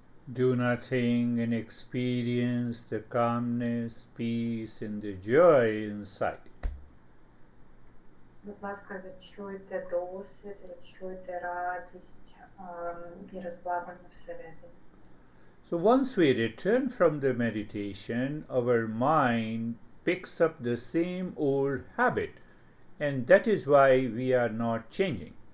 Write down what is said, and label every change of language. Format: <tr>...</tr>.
<en>Do nothing and experience the calmness, peace, and the joy inside.</en> <uk>Будь ласка, відчуйте досвід, відчуйте радість і розслаблення всередині.</uk> <en>So once we return from the meditation, our mind picks up the same old habit, and that is why we are not changing.</en>